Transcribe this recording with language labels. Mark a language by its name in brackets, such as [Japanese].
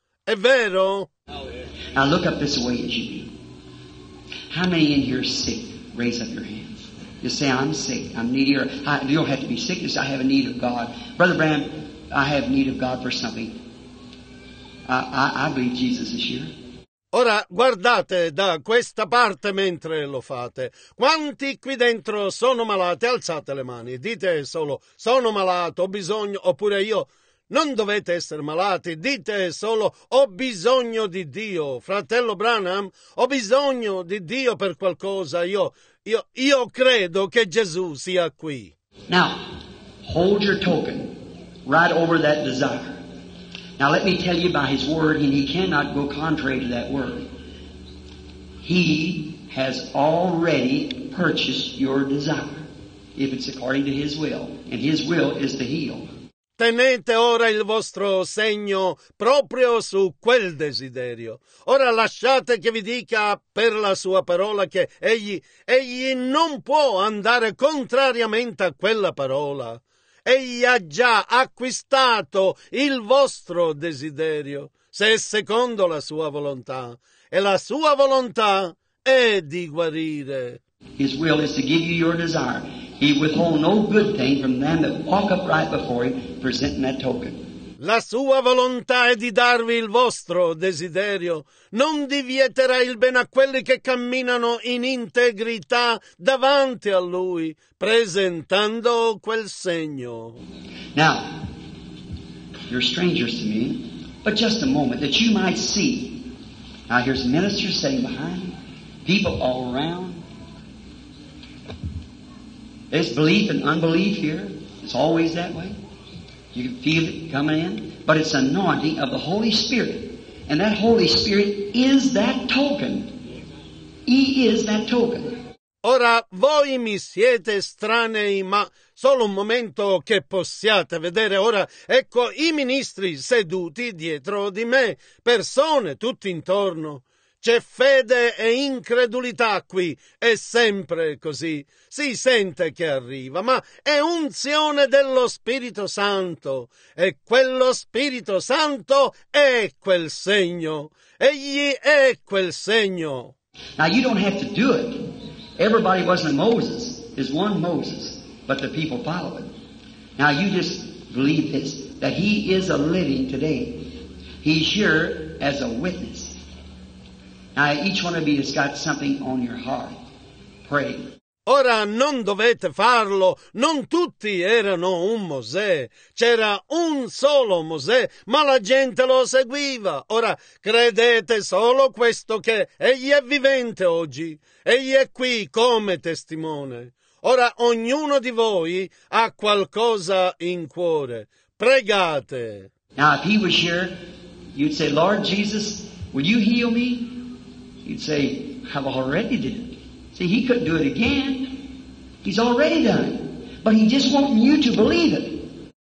[Italian] È vero? [English] Now look up this way, Jimmy. How many in here are sick? Raise up your hands. Just say, I'm sick. I'm needy. You don't have to be sick. Just I have a need of God. Brother Bram, I have need of God for something. I believe Jesus is here. [Italian] Ora guardate da questa parte mentre lo fate. Quanti qui dentro sono malati? Alzate le mani. Dite solo, sono malato, ho bisogno, oppure io. Non dovete essere malati. Dite solo, ho bisogno di Dio. Fratello Branham, ho bisogno di Dio per qualcosa. Io credo che Gesù sia qui. [English] Now, hold your token right over that desire. Now let me tell you by his word, and he cannot go contrary to that word. He has already purchased your desire, if it's according to His will. And His will is to heal. [Italian] Tenete ora il vostro segno proprio su quel desiderio. Ora lasciate che vi dica per la sua parola che egli non può andare contrariamente a quella parola. Egli ha già acquistato il vostro desiderio, se è secondo la sua volontà. E la sua volontà è di guarire. [English] His will is to give you your desire. He withhold no good thing from them that walk upright before him, presenting that token. [Italian] La sua volontà è di darvi il vostro desiderio. Non divieterà il bene a quelli che camminano in integrità davanti a lui, presentando quel segno. [English] Now, you're strangers to me, but just a moment, that you might see. Now, here's ministers sitting behind me, people all around. There's belief and unbelief here. It's always that way. You can feel it coming in. But it's anointing of the Holy Spirit. And that Holy Spirit is that token. He is that token. [Italian] Ora, voi mi siete estranei, ma solo un momento che possiate vedere. Ora, ecco i ministri seduti dietro di me, persone tutti intorno. C'è fede e incredulità qui, è sempre così. Si sente che arriva, ma è unzione dello Spirito Santo. E quello Spirito Santo è quel segno. Egli è quel segno. [English] Now you don't have to do it. Everybody wasn't Moses. There's one Moses, but the people follow it. Now you just believe this, that he is a living today. He's here as a witness. Now, each one of you has got something on your heart. Pray. [Italian] Ora non dovete farlo. Non tutti erano un Mosè. C'era un solo Mosè, ma la gente lo seguiva. Ora credete solo questo che egli è vivente oggi. Egli è qui come testimone. Ora ognuno di voi ha qualcosa in cuore. Pregate. [English] Now, if he was here, you'd say, Lord Jesus, will you heal me? He'd say, I've already done it. See, he couldn't do it again. He's already done it. But he just wants you to believe it.